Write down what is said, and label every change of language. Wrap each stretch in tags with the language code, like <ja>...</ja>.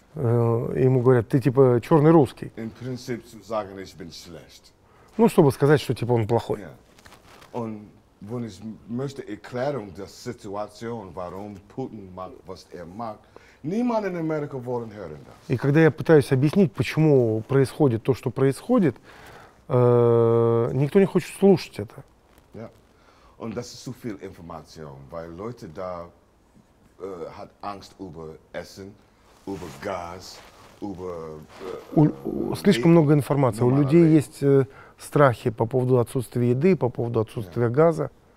<ru>Ему говорят, ты типа черный русский.</ru> <de>In Prinzip sagen, ich bin schlecht.</de> <ru>Ну, чтобы сказать, что типа он плохой.</ru> <de>Und wenn ich möchte erklären, die Situation, warum Putin macht, was macht, niemand in Amerika wollen hören das.</de> <ru>И когда я пытаюсь объяснить, почему происходит то, что происходит, никто не хочет слушать это. Yeah.</ru> <de>Und das ist zu viel Information, weil Leute da hat Angst über Essen, über Gas, über</de> <ru>слишком много информации. У людей есть страхи по поводу отсутствия еды, по поводу отсутствия газа.</ru>